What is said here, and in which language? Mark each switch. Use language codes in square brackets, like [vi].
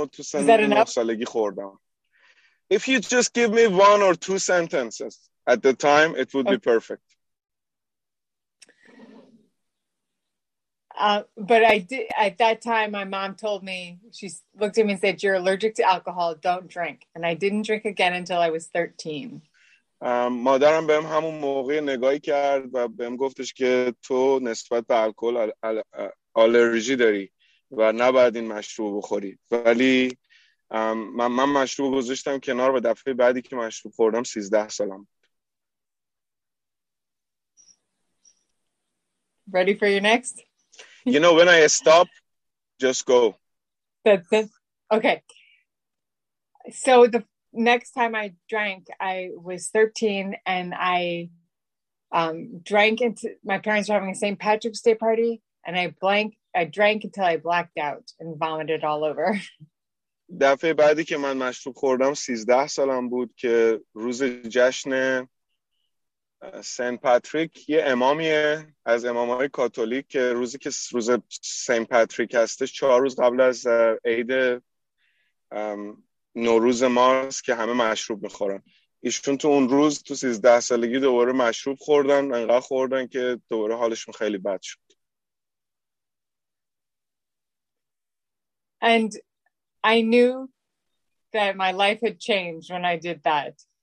[en] If you just give me one or two sentences at the time, it would be perfect. But I did, at that time, my mom told me, she looked at me and said, you're allergic to alcohol, don't drink. And I didn't drink again until I was 13. [fa] مادرم بهم همون موقع نگاهی کرد و بهم گفتش که تو نسبت به الکل آلرژی داری و نباید این مشروب بخوری. ولی من مشروب گذاشتم کنار و دفعه بعدی که مشروب خوردم 13 سالم. [en] Ready for your next? You know, when I stop, just go. Okay. So the next time I drank, I was 13, and I drank until my parents were having a St. Patrick's Day party, and I drank until I blacked out and vomited all over. [fa] دفعه بعدی که من مشروب خوردم 13 سالم بود که روز جشن سن پاتریک یه امامیه از امامهای کاتولیک که روزی که روز سن پاتریک هستش 4 روز قبل از عید نوروز مارس که همه مشروب میخورن ایشون تو اون روز تو 13 سالگی دوباره مشروب خوردن انقدر خوردن که دوباره حالشون خیلی بد شد [en] And I knew that my life had changed when I did that.